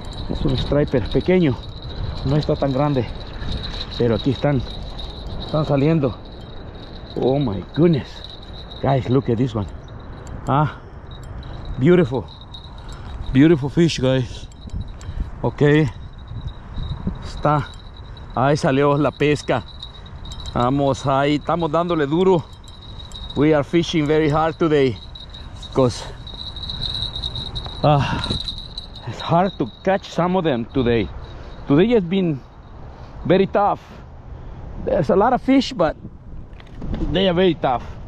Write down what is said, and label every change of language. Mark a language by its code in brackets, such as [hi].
[es] Es un striper pequeño, no está tan grande, pero aquí están saliendo. [en] Oh my goodness, guys, look at this one. Ah, beautiful, beautiful fish, guys. [es] Ok, está ahí, salió la pesca. Vamos ahí, estamos dándole duro. [en] We are fishing very hard today because it's hard to catch some of them today. Today has been very tough. There's a lot of fish, but they are very tough.